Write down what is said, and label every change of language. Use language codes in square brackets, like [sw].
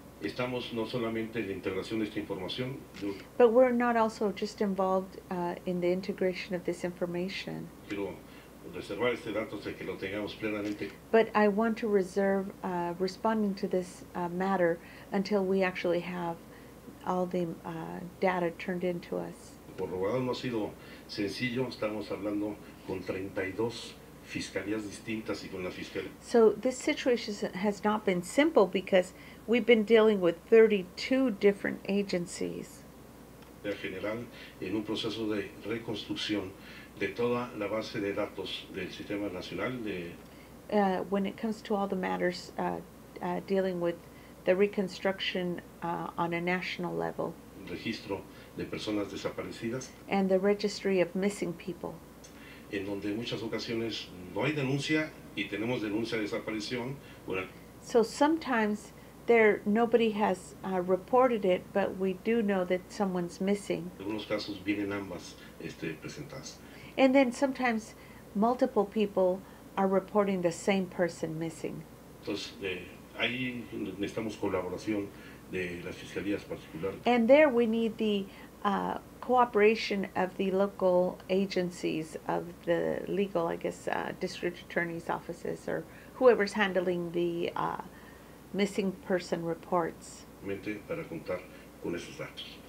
[es] Estamos no solamente en la integración de esta información. [en] But we're not also just involved in the integration of this information. [es] Quiero reservar este dato hasta que lo tengamos plenamente. [en] But I want to reserve responding to this matter until we actually have all the data turned into us. [es] Por lo cual no ha sido sencillo. Estamos hablando con 32 fiscalías distintas y con la fiscalía. [en] So this situation has not been simple because we've been dealing with 32 different agencies. [es] carácter general en un proceso de reconstrucción de toda la base de datos del sistema nacional de [en] When it comes to all the matters dealing with the reconstruction on a national level, [es] registro de personas desaparecidas, [en] and the registry of missing people, [es] en donde muchas ocasiones no hay denuncia y tenemos denuncia de desaparición. [en] So sometimes nobody has reported it, but we do know that someone's missing. [es] En algunos casos vienen ambas presentadas. [en] And then sometimes multiple people are reporting the same person missing. [es] Entonces, ahí necesitamos colaboración de las fiscalías particulares. [en] And there we need the cooperation of the local agencies, of the legal, I guess, district attorney's offices, or whoever's handling the missing person reports. [es] Para contar con esos datos.